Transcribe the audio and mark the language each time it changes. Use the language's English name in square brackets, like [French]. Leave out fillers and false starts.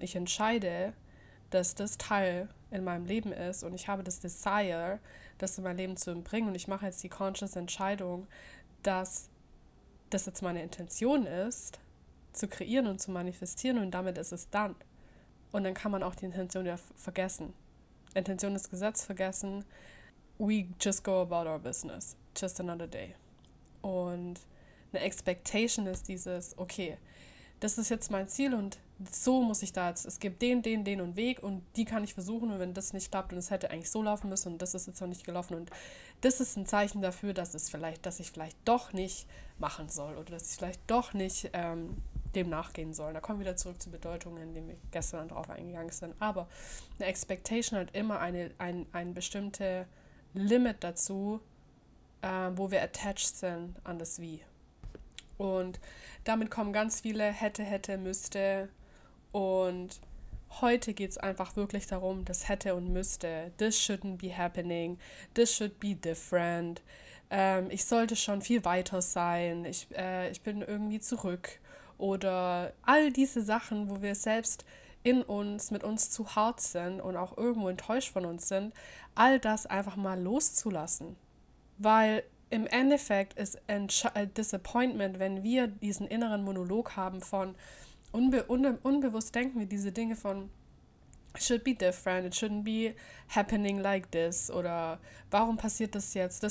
[German] Ich entscheide, dass das Teil in meinem Leben ist und ich habe das Desire, das in mein Leben zu bringen. Und ich mache jetzt die conscious Entscheidung, dass das jetzt meine Intention ist, zu kreieren und zu manifestieren und damit ist es dann. Und dann kann man auch die Intention ja vergessen. Intention ist Gesetz, vergessen. [English] We just go about our business. Just another day. [German] Und eine Expectation ist dieses, okay, das ist jetzt mein Ziel und so muss ich da jetzt, es gibt den und Weg und die kann ich versuchen und wenn das nicht klappt und es hätte eigentlich so laufen müssen und das ist jetzt noch nicht gelaufen und das ist ein Zeichen dafür, dass ich vielleicht doch nicht machen soll oder dass ich vielleicht doch nicht dem nachgehen soll. Da kommen wir wieder zurück zu Bedeutungen, in denen wir gestern drauf eingegangen sind. Aber eine Expectation hat immer ein bestimmte Limit dazu, wo wir attached sind an das Wie. Und damit kommen ganz viele hätte, müsste. Und heute geht es einfach wirklich darum, das hätte und müsste. [English] This shouldn't be happening. This should be different. [German] Ich sollte schon viel weiter sein. Ich bin irgendwie zurück. Oder all diese Sachen, wo wir selbst in uns, mit uns zu hart sind und auch irgendwo enttäuscht von uns sind, all das einfach mal loszulassen. Weil im Endeffekt ist Disappointment, wenn wir diesen inneren Monolog haben von unbewusst denken wir diese Dinge von [English] it should be different, it shouldn't be happening like this [German] oder warum passiert das jetzt?